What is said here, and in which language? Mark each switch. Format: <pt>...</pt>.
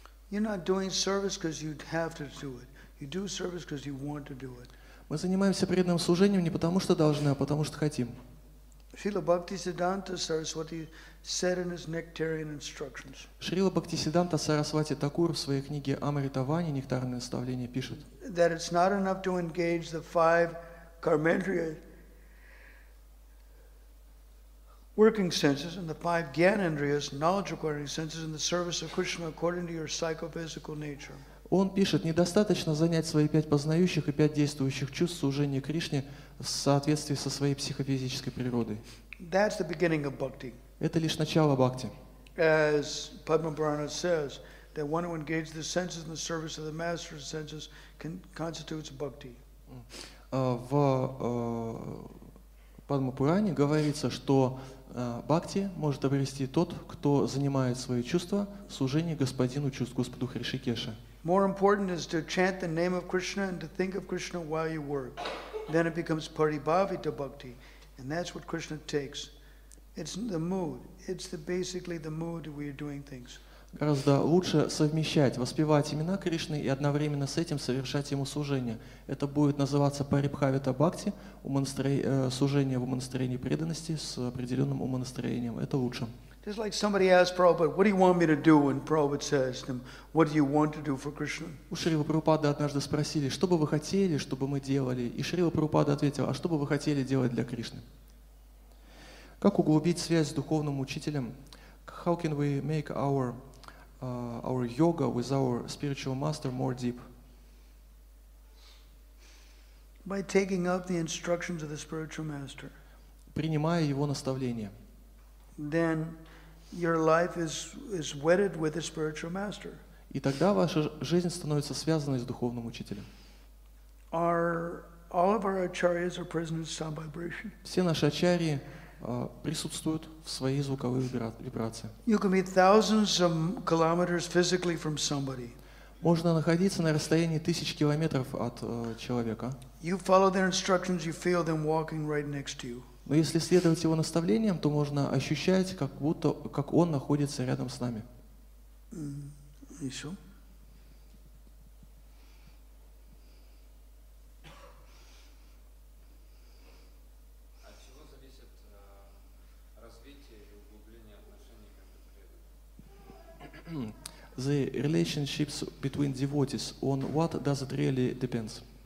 <en>You're not doing service because you have to do it. You do service because you want to do it.</en> <ru>Мы занимаемся преданным служением не потому, что должны, а потому, что хотим.</ru> <en>Srila Bhaktisiddhanta Saraswati said in his Nectarian instructions.</en> <ru>Srila Bhaktisiddhanta Saraswati Thakur в своей книге Амрита Вани Нектарное наставление пишет.</ru> <en>That it's not enough to engage the five karmendriya working senses and the five gyanendriyas knowledge acquiring senses in the service of Krishna according to your psychophysical nature.</en> <ru>Он пишет, недостаточно занять свои пять познающих и пять действующих чувств в служении Кришне в соответствии со своей психофизической природой.</ru> <en>That's the beginning of bhakti.</en> <ru>Это лишь начало бхакти.</ru> <en>As Padma Purana says, that one who engages the senses in the service of the master's senses can constitutes bhakti.</en> <ru>В Падма Пуране говорится, что бхакти может обрести тот, кто занимает свои чувства в служении Господину чувств, Господу Хришикеша.</ru> <en>More important is to chant the name of Krishna and to think of Krishna while you work. Then it becomes paribhavita bhakti, and that's what Krishna takes. It's the mood. It's the, basically the mood we are doing things.</en> <ru>Гораздо лучше совмещать, воспевать имена Кришны и одновременно с этим совершать ему служение. Это будет называться парибхавита бхакти, служение в умонастроении преданности с определенным умонастроением. Это лучше.</ru> <en>Just like somebody asked Prabhupada, what do you want me to do? And Prabhupada says to him, what do you want to do for Krishna?</en> <ru>У Шрилы Прабхупады однажды спросили, что бы вы хотели, чтобы мы делали? И Шрила Прабхупада ответил, а что бы вы хотели делать для Кришны? Как углубить связь с духовным учителем?</ru> <en>How can we make our yoga with our spiritual master more deep? By taking up the instructions of the spiritual master.</en> <ru>Принимая его наставления.</ru> <en>Then your life is wedded with the spiritual master.</en> <ru>И тогда ваша жизнь становится связанной с духовным учителем.</ru> <en>All of our acharyas are prisoners of sound vibration.</en> <ru>Все наши ачарьи присутствуют в своей звуковой вибрации.</ru> <en>You can be thousands of kilometers physically from somebody.</en> <ru>Можно находиться на расстоянии тысяч километров от человека.</ru> <en>You follow their instructions, you feel them walking right next to you.</en> <ru>Но если следовать его наставлениям, то можно ощущать, как будто как он находится рядом с нами. Еще. От чего зависит развитие и углубление отношений между преданными?</ru> <en>The relationships between devotees, on what does it really depends?</en>